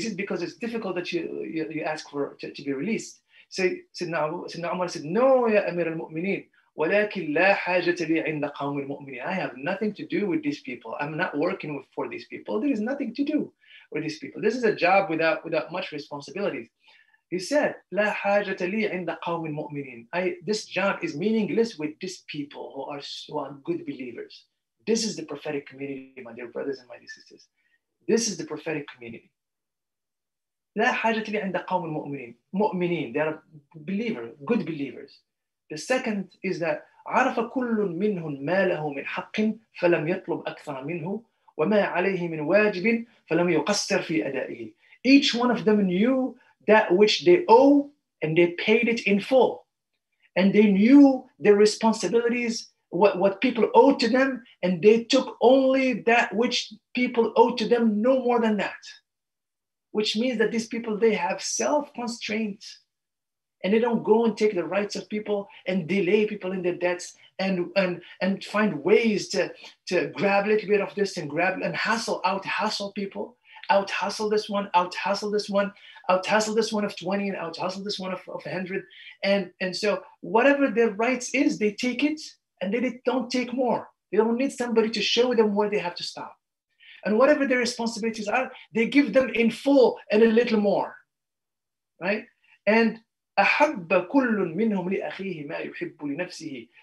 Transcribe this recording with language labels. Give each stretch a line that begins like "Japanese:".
English: Is it because it's difficult that you ask for to be released? Say, Sidna Umar said, no, ya Amir al-Mu'mineen.
Arabic: وَلَكِنْ لَا حَاجَةَ لِي عِنْدَ قَوْمِ الْمُؤْمِنِينَ.
English: I have nothing to do with these people. I'm not working for these people. There is nothing to do with these people. This is a job without much responsibility. He said,
Arabic: لَا حَاجَةَ لِي عِنْدَ قَوْمِ الْمُؤْمِنِينَ.
English: This job is meaningless with these people who are good believers. This is the prophetic community, my dear brothers and my dear sisters. This is the prophetic community.
Arabic: لَا حَاجَةَ لِي عِنْدَ قَوْمِ الْمُؤْمِنِينَ.
English: Mu'mineen, they are believers, good believers. The second is that
Arabic: عَرَفَ كُلٌّ مِّنْهُمْ مَا لَهُ مِنْ حَقٍ فَلَمْ يَطْلُبْ أَكْثَرَ مِنْهُ وَمَا عَلَيْهِ مِنْ وَاجِبٍ فَلَمْ يُقَصِّرْ فِي أَدَائِهِ.
English: Each one of them knew that which they owe and they paid it in full. And they knew their responsibilities, what people owed to them, and they took only that which people owed to them, no more than that. Which means that these people, they have self-constraint. And they don't go and take the rights of people and delay people in their debts and find ways to grab a little bit of this and grab and out-hustle people, out-hustle this one, out-hustle this one, out-hustle this one of 20 and out-hustle this one of 100. And so whatever their rights is, they take it and they don't take more. They don't need somebody to show them where they have to stop. And whatever their responsibilities are, they give them in full and a little more, right? And
Arabic: أَحَبَّ كُلٌّ مِّنْهُمْ لِأَخِيهِ مَا يُحِبُّ لِنَفْسِهِ.